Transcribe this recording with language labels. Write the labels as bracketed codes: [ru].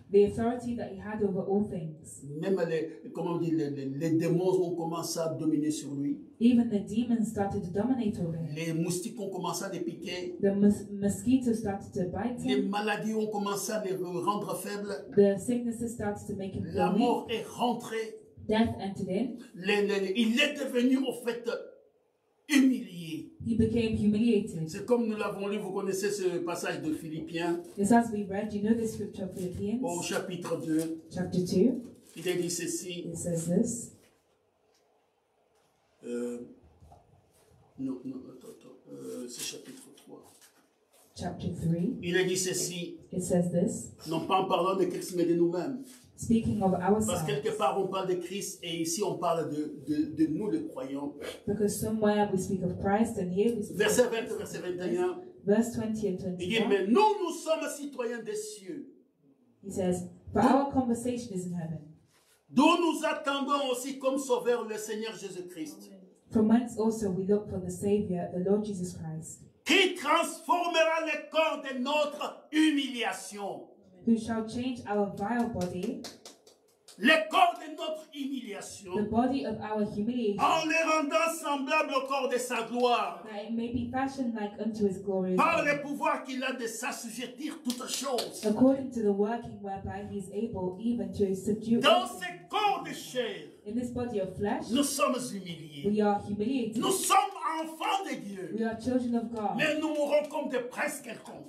[en] the authority that he had over all things. [fr] Même les démons ont commencé à dominer sur lui, [en] even the demons started to dominate over him. [fr] Les moustiques ont commencé à les piquer, [en] the mosquitoes started to bite him. [fr] Les maladies ont commencé à les rendre faibles, [en] the sicknesses started to make him [fr] la mort [en] weak. [fr] Est rentrée, [en] death entered in, [fr] il est devenu au fait humilié, [en] He became humiliated. [fr] C'est comme nous l'avons lu, vous connaissez ce passage de Philippiens. [en] Just as we read, you know this scripture of Philippians. [fr] Au chapitre 2. [en] Chapter 2. [fr] Il est dit ceci. [en] It says this. [fr] C'est chapitre 3. [en] Chapter 3. [fr] Il est dit ceci. [en] It says this. [fr] Non pas en parlant de Christ, mais de nous-mêmes. [en] Speaking of ourselves. [fr] Parce quelque part on parle de Christ et ici on parle de nous les croyants. [en] Because somewhere we speak of Christ and here we speak. [fr] Verset 20, verset 21. [en] Verse 20 and 21. [fr] Il dit, mais nous nous sommes citoyens des cieux. [en] He says, but our conversation is in heaven. [fr] D'où nous attendons aussi comme sauveur le Seigneur Jésus Christ. [en] From whence also we look for the Savior, the Lord Jesus Christ. [fr] Qui transformera le corps de notre humiliation. [en] Who shall change our vile body, [fr] le corps de notre humiliation, [en] the body of our humiliation, [fr] en le rendant semblable au corps de sa gloire, [en] that it may be fashioned like unto his glory, [fr] par le pouvoir qu'il a de s'assujettir toutes choses, [en] according to the working whereby he is able even to subdue, [fr] dans ce corps de chair, [en] in this body of flesh, [fr] nous sommes humiliés, [en] we are humiliated, [fr] nous sommes enfants de Dieu, [en] we are children of God, [fr] mais nous mourrons comme de presque quelconque,